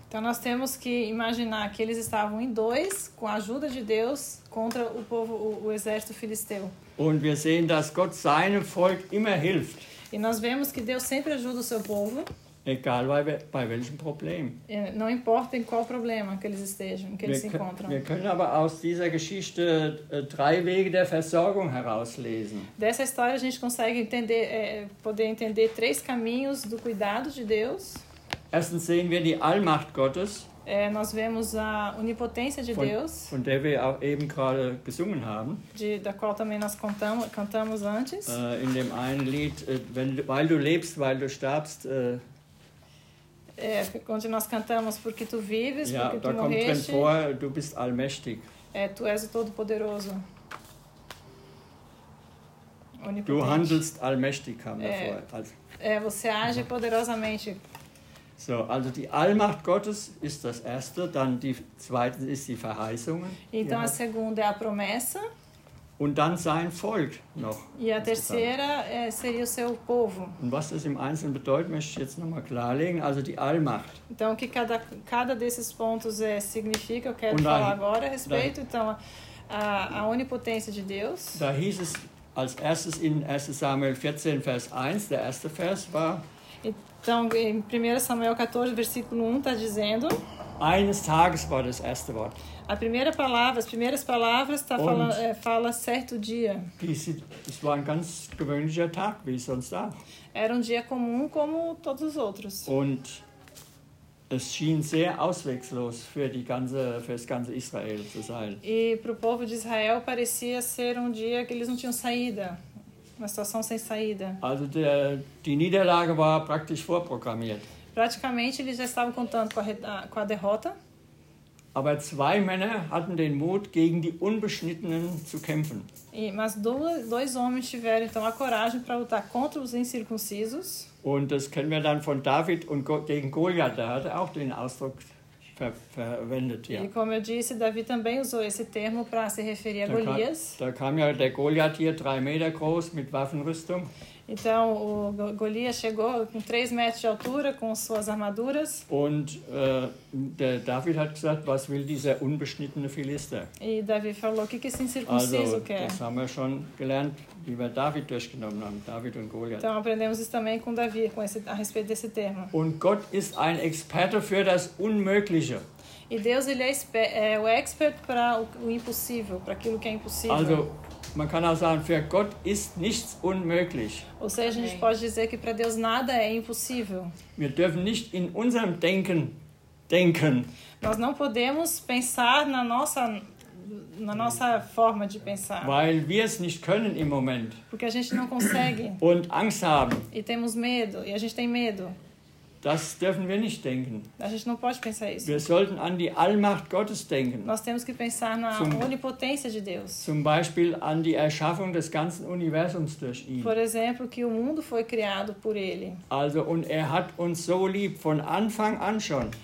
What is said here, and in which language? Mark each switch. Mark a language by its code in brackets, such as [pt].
[pt] Então nós temos que imaginar que eles estavam em dois com a ajuda de Deus contra o povo, o exército filisteu. [de] Und wir sehen, dass Gott seinem Volk immer hilft. [pt] E nós vemos que Deus sempre ajuda o seu povo. [de] Egal bei welchem Problem. [pt] Não importa em qual problema que eles estejam, que eles se encontram. [de] Wir können aber aus dieser Geschichte drei Wege der Versorgung herauslesen. [pt] Dessa história a gente consegue entender, poder entender três caminhos do cuidado de Deus. [de] Erstens sehen wir die Allmacht Gottes. [pt] Nós vemos a onipotência de Deus. [de] Von der wir auch eben gerade gesungen haben. [pt] Da qual também nós cantamos antes. [de] In dem einen Lied, weil du lebst, weil du starbst. [pt] Onde nós cantamos porque tu vives, ja, porque tu morreste. [de] Da kommt drin vor, du bist allmächtig. [pt] Tu és o Todo-Poderoso. [de] Du handelst allmächtig, kam davor. [pt] Você age poderosamente. [de] So, also die Allmacht Gottes ist das erste, dann die zweite ist die Verheißung. [pt] Então a segunda é a promessa. [de] Und dann sein Volk noch. [pt] E a terceira seria o seu povo. [de] Und was das im Einzelnen bedeutet, möchte ich jetzt nochmal klarlegen. Also die Allmacht. [pt] Então o que cada desses pontos significa, eu quero falar agora a respeito. Então a onipotência de Deus. [de] Da hieß es als erstes in 1 Samuel 14, Vers 1, der erste Vers war. [pt] Então, em 1 Samuel 14, versículo 1, está dizendo... [de] Eines Tages war das erste Wort. [pt] A primeira palavra, as primeiras palavras, fala certo dia. [de] Es war ein ganz gewöhnlicher Tag, wie sonst auch. [pt] Era um dia comum como todos os outros. [de] Und es schien sehr ausweglos für das ganze Israel zu sein. [pt] E para o povo de Israel parecia ser um dia que eles não tinham saída. Uma situação sem saída. [de] Also die Niederlage war praktisch vorprogrammiert. [pt] Praticamente eles já estavam contando com a derrota. [de] Aber zwei Männer hatten den Mut, gegen die Unbeschnittenen zu kämpfen. [pt] Mas dois homens tiveram então a coragem para lutar contra os incircuncisos. [de] Und das kennen wir dann von David und gegen Goliath. Da hat er auch den Ausdruck verwendet, ja. [pt] E como eu disse, Davi também usou esse termo para se referir a Golias. [de] Da kam ja der Goliath hier, 3 Meter groß, mit Waffenrüstung. [pt] Então, o Golias chegou com 3 metros de altura, com suas armaduras. [de] Und der David hat gesagt, was will dieser unbeschnittene Philister? [pt] E Davi falou, o que esse incircunciso also, quer? [de] Das haben wir schon gelernt, wie wir David durchgenommen haben, David und Goliath. [pt] Então, aprendemos isso também com Davi, a respeito desse termo. [de] Und Gott ist ein Experte für das Unmögliche. [pt] E Deus, ele é o expert para o impossível, para aquilo que é impossível. [de] Also, man kann auch sagen, für Gott ist nichts unmöglich. [pt] Ou seja, a gente pode dizer que para Deus nada é impossível. [de] Wir dürfen nicht in unserem denken. [pt] Nós não podemos pensar na nossa forma de pensar. [de] Weil wir es nicht können im Moment. [pt] Porque a gente não consegue. [de] Und Angst haben. [pt] E temos medo, e a gente tem medo. [de] Das dürfen wir nicht denken. [pt] A gente não pode pensar isso. [de] Wir sollten an die Allmacht Gottes denken. [pt] Nós temos que pensar na onipotência de Deus. [de] Zum Beispiel an die Erschaffung des ganzen Universums durch ihn. [pt] Por exemplo, que o mundo foi criado por ele. [de] Also, und er hat uns so lieb, von Anfang an schon.